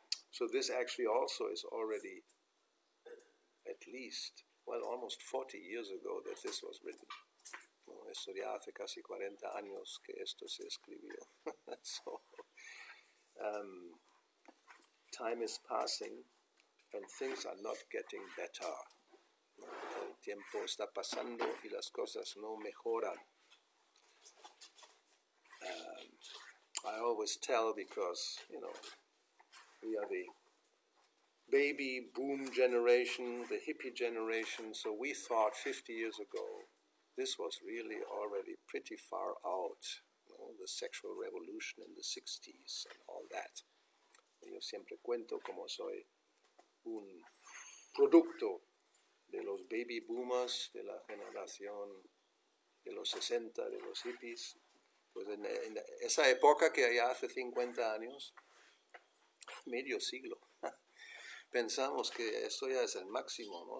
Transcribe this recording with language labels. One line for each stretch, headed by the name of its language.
English: So this actually also is already at least, well, almost 40 years ago that this was written.
Spanish: Esto ya hace casi 40 años que esto se escribió.
English: So, time is passing and things are not getting better.
Spanish: El tiempo está pasando y las cosas no mejoran.
English: I always tell, because, you know, we are the baby boom generation, the hippie generation, so we thought 50 years ago this was really already pretty far out, you know, the sexual revolution in the 60s and all that.
Spanish: Yo siempre cuento como soy un producto de los baby boomers, de la generación de los 60, de los hippies. Pues en esa época que ya hace 50 años, medio siglo, pensamos que esto ya es el máximo, ¿no?